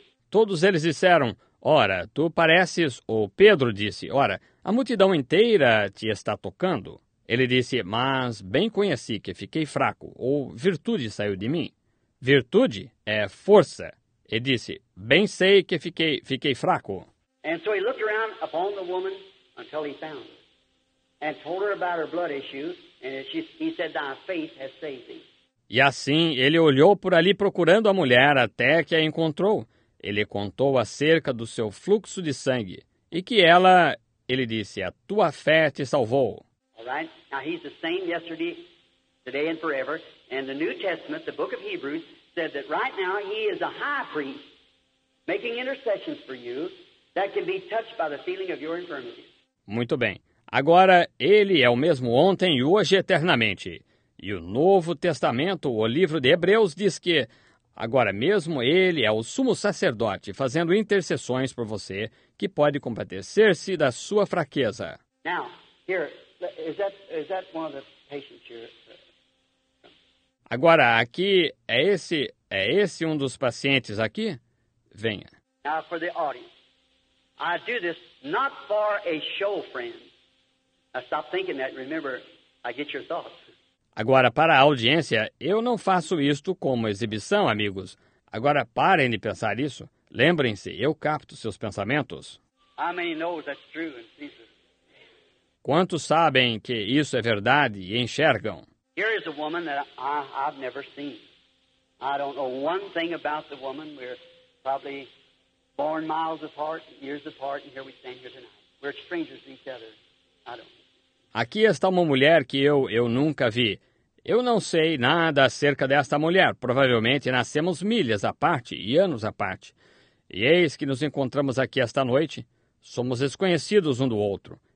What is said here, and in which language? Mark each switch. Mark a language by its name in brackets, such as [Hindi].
[Portuguese] Todos eles disseram, ora, tu pareces, ou Pedro disse, ora, a multidão inteira te está tocando. Ele disse, mas bem conheci que fiquei fraco, ou virtude saiu de mim. Virtude é força. E disse, bem sei que fiquei fraco. [English] And so he looked around upon the woman until he found her, and told her about her blood issue, and he said, thy faith has saved thee. [Portuguese] E assim ele olhou por ali procurando a mulher até que a encontrou. Ele contou acerca do seu fluxo de sangue, e que ela, ele disse, a tua fé te salvou. [English] Right. Now he's the same yesterday, today and forever. And the New Testament, the book of Hebrews, said that right now he is a high priest making intercessions for you that can be touched by the feeling of your infirmity. [Portuguese] Muito bem. Agora ele é o mesmo ontem, hoje e eternamente. E o Novo Testamento, o livro de Hebreus, diz que agora mesmo ele é o sumo sacerdote fazendo intercessões por você que pode compadecer-se da sua fraqueza. [English] Now, here. Is that one of the patients here? [Portuguese] Agora, aqui, é esse um dos pacientes aqui? Venha. [English] Now, for the audience, I do this not for a show, friend. I stop thinking that, remember, I get your thoughts. [Portuguese] Agora, para a audiência, eu não faço isto como exibição, amigos. Agora, parem de pensar isso. Lembrem-se, eu capto seus pensamentos. [English] How many knows that's true in Jesus? [Portuguese] Quantos sabem que isso é verdade e enxergam? [English] Here is a woman that I've never seen. I don't know one thing about the woman. We're probably born miles apart, years apart, and here we stand here tonight. We're strangers to each other. I don't. [Portuguese] Aqui está uma mulher que eu nunca vi. Eu não sei nada acerca desta mulher. Provavelmente nascemos milhas à parte e anos à parte. E eis que nos encontramos aqui esta noite. Somos desconhecidos um do outro.